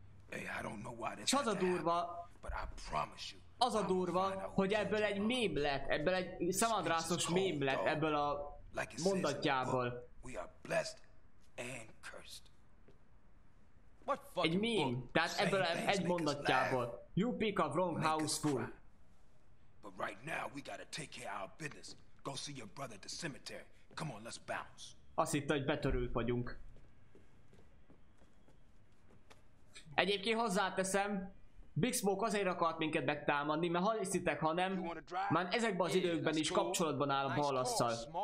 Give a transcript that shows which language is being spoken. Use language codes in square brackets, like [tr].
[en] Hey, I don't know why this happened, but I promise you. [hu] Az a durva, hogy ebből egy mém lett, ebből egy szemadrászos mém lett, ebből a mondatjából. Egy mém, tehát ebből egy mondatjából. [en] You pick a wrong house, fool. But right now we gotta take care of our business. Go see your brother at the cemetery. Come on, let's bounce. [hu] Azt hitte, hogy betörők vagyunk. Egyébként hozzáteszem, Big Smoke azért akart minket megtámadni, mert ha hiszitek, ha nem, már ezekben az időkben is kapcsolatban áll a ballasszal.